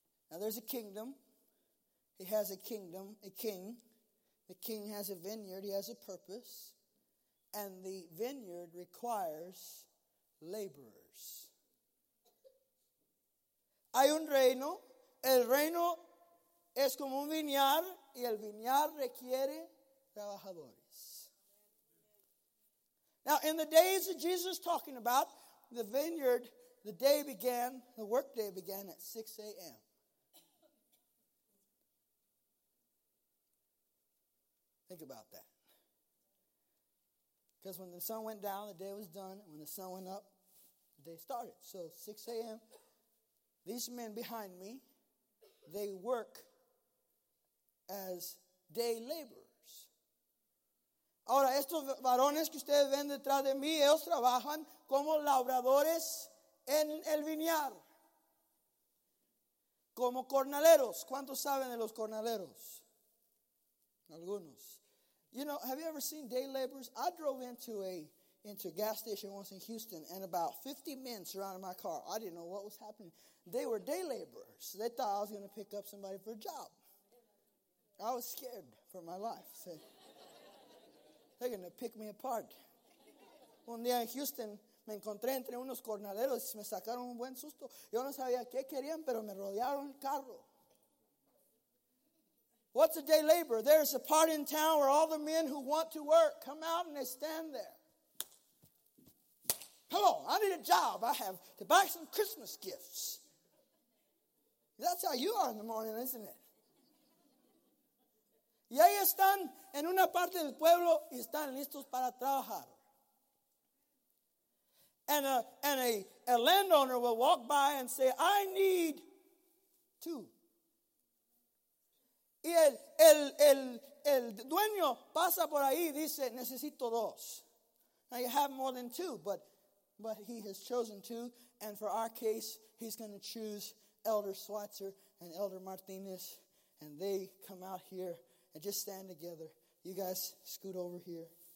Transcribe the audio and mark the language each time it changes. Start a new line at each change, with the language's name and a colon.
English: Now there's a kingdom. He has a kingdom, a king. The king has a vineyard, he has a purpose, and the vineyard requires laborers.
Spanish: Hay un reino, el reino es como un viñar, y el viñar requiere trabajadores.
English: Now, in the days that Jesus is talking about, the vineyard, the day began, the work day began at 6 a.m. Think about that. Because when the sun went down, the day was done. And when the sun went up, the day started. So 6 a.m., these men behind me, they work as day laborers.
Spanish: Ahora, estos varones que ustedes ven detrás de mí, ellos trabajan como labradores en el viñar. Como cornaleros. ¿Cuántos saben de los cornaleros? Algunos.
English: You know, have you ever seen day laborers? I drove into a gas station once in Houston, and about 50 men surrounded my car. I didn't know what was happening. They were day laborers. They thought I was going to pick up somebody for a job. I was scared for my life. So they're going to pick me apart.
Spanish: Un día en Houston, me encontré entre unos cornaleros y me sacaron un buen susto. Yo no sabía qué querían, pero me rodearon el carro.
English: What's a day laborer? There's a part in town where all the men who want to work come out and they stand there. Hello, I need a job. I have to buy some Christmas gifts. That's how you are in the morning, isn't it?
Spanish: Y ahí están en una parte del pueblo y están listos para trabajar.
English: And a landowner will walk by and say, I need two.
Spanish: Y el dueño pasa por ahí y dice, necesito dos.
English: Now you have more than two, but he has chosen two. And for our case, he's going to choose Elder Schweitzer and Elder Martinez. And they come out here and just stand together. You guys scoot over here.